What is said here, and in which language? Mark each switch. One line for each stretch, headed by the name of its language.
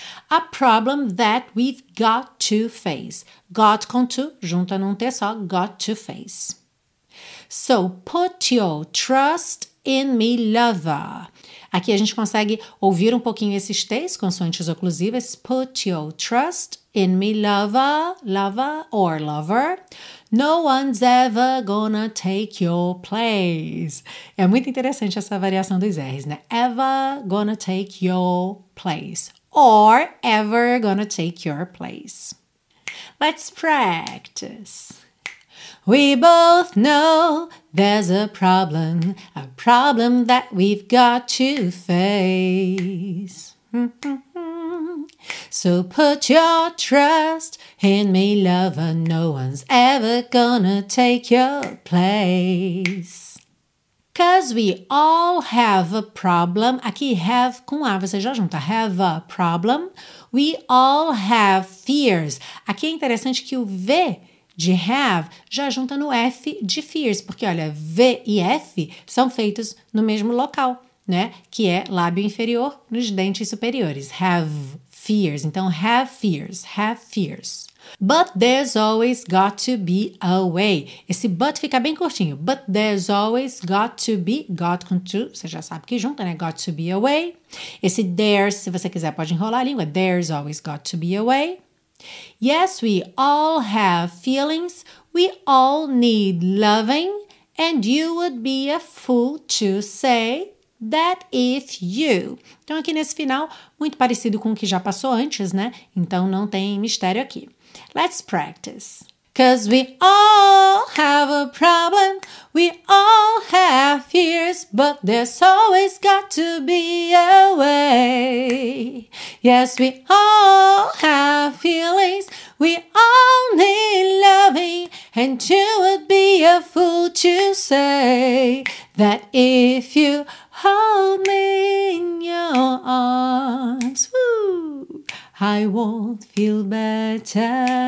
English: A problem that we've got to face. Got com to,
Portuguese: junta num T só,
English: got to face. So, put your trust in me, lover.
Portuguese: Aqui a gente consegue ouvir um pouquinho esses T's, consoantes oclusivas.
English: Put your trust in me, lover, lover or lover. No one's ever gonna take your place.
Portuguese: É muito interessante essa variação dos R's, né?
English: Ever gonna take your place. Or ever gonna take your place. Let's practice. We both know there's a problem that we've got to face. So put your trust in me, lover, no one's ever gonna take your place. 'Cause we all have a problem.
Portuguese: Aqui have com a, você já junta.
English: Have a problem. We all have fears.
Portuguese: Aqui é interessante que o V de have já junta no F de fears. Porque, olha, V e F são feitos no mesmo local, né? Que é lábio inferior nos dentes superiores.
English: Have fears. Então, have fears. Have fears. But there's always got to be a way.
Portuguese: Esse but fica bem curtinho.
English: But there's always got to be,
Portuguese: got com to, você já sabe que junta, né?
English: Got to be a way.
Portuguese: Esse there's, se você quiser, pode enrolar a língua.
English: There's always got to be a way. Yes, we all have feelings. We all need loving. And you would be a fool to say that if you.
Portuguese: Então, aqui nesse final, muito parecido com o que já passou antes, né? Então, não tem mistério aqui.
English: Let's practice. 'Cause we all have a problem, we all have fears, but there's always got to be a way. Yes, we all have feelings, we all need loving, and you would be a fool to say that if you hold me in your arms, woo, I won't feel better.